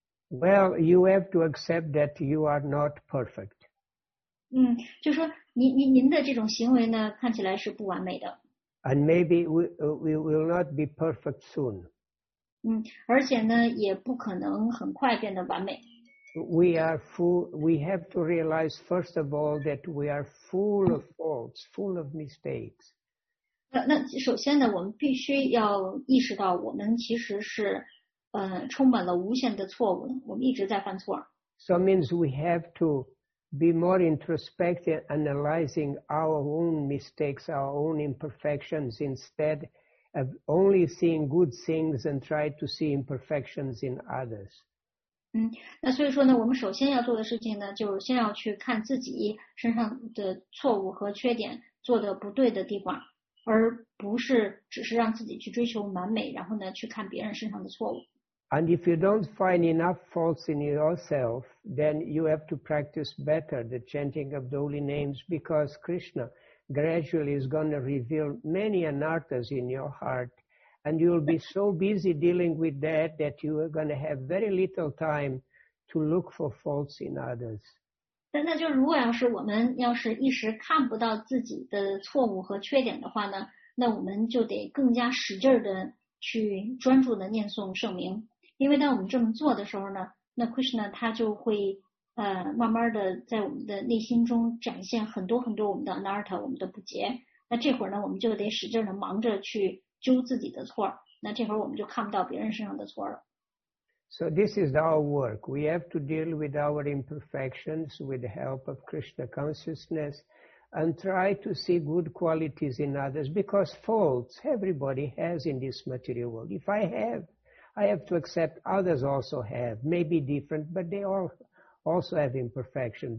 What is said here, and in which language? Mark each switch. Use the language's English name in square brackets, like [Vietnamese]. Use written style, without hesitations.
[English] Well, you have to accept that you are not perfect. [Chinese] 就说您的这种行为呢，看起来是不完美的。 [English] And maybe we will not be perfect soon. [Chinese] 而且呢，也不可能很快变得完美。 [English] We have to realize, first of all, that we are full of faults, full of mistakes. [Chinese] 那首先呢，我们必须要意识到，我们其实是。充满了无限的错误，我们一直在犯错。 [English] So means we have to be more introspective, analyzing our own mistakes, our own imperfections, instead of only seeing good things and try to see imperfections in others. [Chinese] 那所以说呢，我们首先要做的事情呢，就是先要去看自己身上的错误和缺点，做的不对的地方，而不是只是让自己去追求完美，然后呢去看别人身上的错误。 [English] And if you don't find enough faults in yourself, then you have to practice better the chanting of the holy names, because Krishna gradually is going to reveal many anarthas in your heart. And you'll be so busy dealing with that that you are going to have very little time to look for faults in others. [Chinese] 但那就如果要是我们要是一时看不到自己的错误和缺点的话呢, 那我们就得更加使劲的去专注的念诵圣名。因为当我们这么做的时候呢, 那Krishna他就会, 慢慢的在我们的内心中展现很多很多我们的anartha, 我们的不洁。那这会儿呢, 我们就得使劲的忙着去揪自己的错, 那这会儿我们就看不到别人身上的错了。 [English] So this is our work. We have to deal with our imperfections with the help of Krishna consciousness and try to see good qualities in others, because faults everybody has in this material world. If I have, I have to accept others also have, maybe different, but they all also have imperfection.